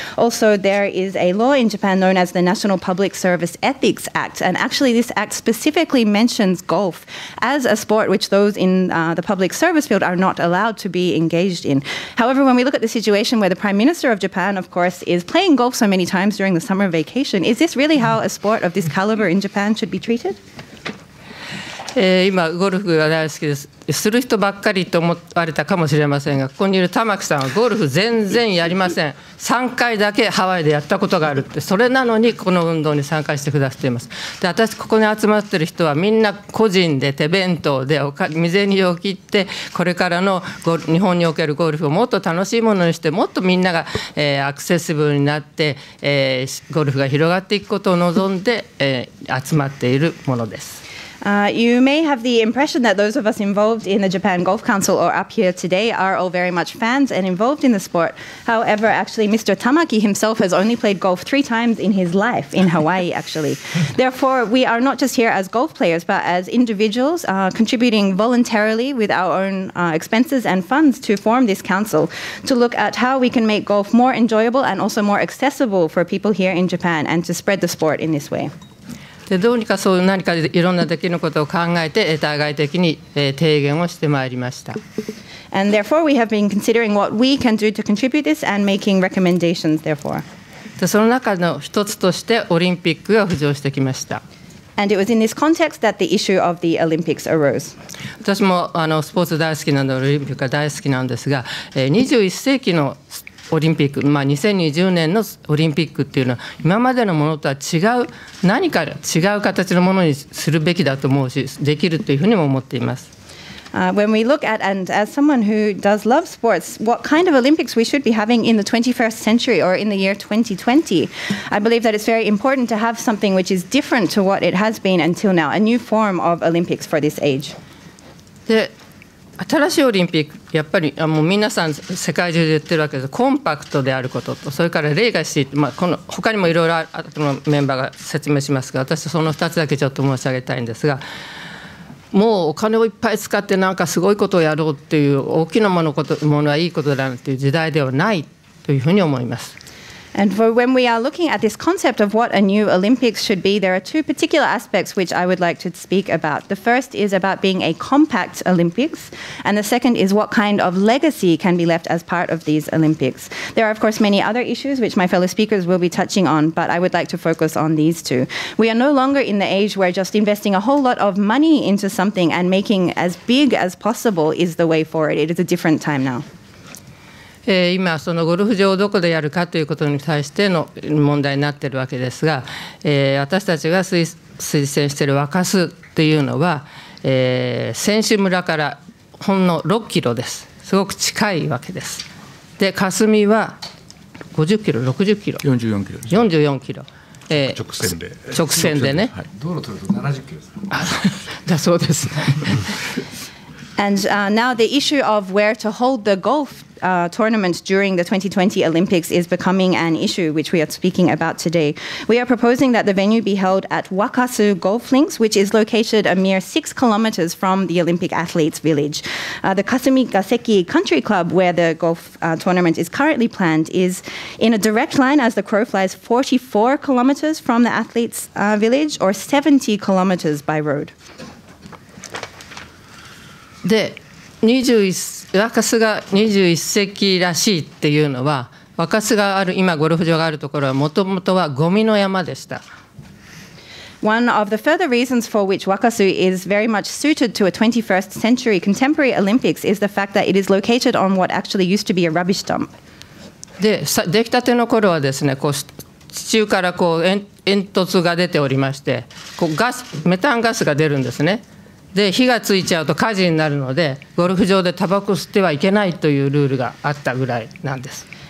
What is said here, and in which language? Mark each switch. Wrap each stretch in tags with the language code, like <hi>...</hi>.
<en>Also, there is a law in Japan known as the National Public Service Ethics Act, and actually this act specifically mentions golf as a sport which those in the public service field are not allowed to be engaged in. However, when we look at the situation where the Prime Minister of Japan, of course, is playing golf so many times during the summer vacation, is this really how a sport of this caliber in Japan should be treated?</en> <ja>今ゴルフが大好きです。する人ばっかりと思われたかもしれませんが、ここにいる玉木さんはゴルフ全然やりません。 3回だけハワイでやったことがあるって、それなのにこの運動に参加してくださっています。で、私ここに集まっている人はみんな個人で手弁当でおか未然を切って、これからの日本におけるゴルフをもっと楽しいものにして、もっとみんなが、アクセシブルになって、ゴルフが広がっていくことを望んで、集まっているものです。</ja> <en>You may have the impression that those of us involved in the Japan Golf Council or up here today are all very much fans and involved in the sport. However, actually, Mr. Tamaki himself has only played golf 3 times in his life in Hawaii, actually. Therefore, we are not just here as golf players, but as individuals contributing voluntarily with our own expenses and funds to form this council to look at how we can make golf more enjoyable and also more accessible for people here in Japan and to spread the sport in this way.</en> <ja>でどうにかそう何かいろんなできることを考えて、対外的に、提言をしてまいりました。</ja> <en>And therefore, we have been considering what we can do to contribute this and making recommendations, therefore.</en> <ja>でその中の一つとして、オリンピックが浮上してきました。</ja> <en>And it was in this context that the issue of the Olympics arose.</en> <ja>私もスポーツ大好きなので、オリンピックが大好きなんですが、21世紀のオリンピック、まあ、2020年のオリンピックっていうのは今までのものとは違う、何か違う形のものにするべきだと思うし、できるというふうにも思っています。</ja> <en>When we look at, and as someone who does love sports, what kind of Olympics we should be having in the 21st century or in the year 2020, I believe that it's very important to have something which is different to what it has been until now, a new form of Olympics for this age.</en> <ja>で新しいオリンピック、やっぱりもう皆さん世界中で言ってるわけです。コンパクトであることと、それからレガシー、まあ、この他にもいろいろあとのメンバーが説明しますが、私その2つだけちょっと申し上げたいんですが、もうお金をいっぱい使ってなんかすごいことをやろうっていう大きなものはいいことだなっていう時代ではないというふうに思います。</ja> <en>And for when we are looking at this concept of what a new Olympics should be, there are two particular aspects which I would like to speak about. The first is about being a compact Olympics, and the second is what kind of legacy can be left as part of these Olympics. There are, of course, many other issues which my fellow speakers will be touching on, but I would like to focus on these two. We are no longer in the age where just investing a whole lot of money into something and making as big as possible is the way forward. It is a different time now.</en> <ja>今そのゴルフ場をどこでやるかということに対しての問題になっているわけですが、私たちが推薦している若洲というのは、選手村からほんの6キロです。すごく近いわけです。で霞は50キロ60キロ44キロ、直線でね、道路を取ると70キロだそうですね。</ja> <en>And now the issue of where to hold the golf tournament during the 2020 Olympics is becoming an issue which we are speaking about today. We are proposing that the venue be held at Wakasu Golf Links, which is located a mere 6 kilometers from the Olympic Athletes Village. The Kasumigaseki Country Club, where the golf tournament is currently planned, is in a direct line as the crow flies 44 kilometers from the Athletes Village, or 70 kilometers by road.</en> <ja>で若洲が21世紀らしいっていうのは、若洲がある今ゴルフ場があるところはもともとはゴミの山でした。</ja> <en>One of the further reasons for which Wakasu is very much suited to a 21st century contemporary Olympics is the fact that it is located on what actually used to be a rubbish dump.</en> <ja>で、できたての頃はですね、こう地中からこう 煙突が出ておりまして、こうガスメタンガスが出るんですね。で火がついちゃうと火事になるので、ゴルフ場でタバコ吸ってはいけないというルールがあったぐらいなんです。</ja>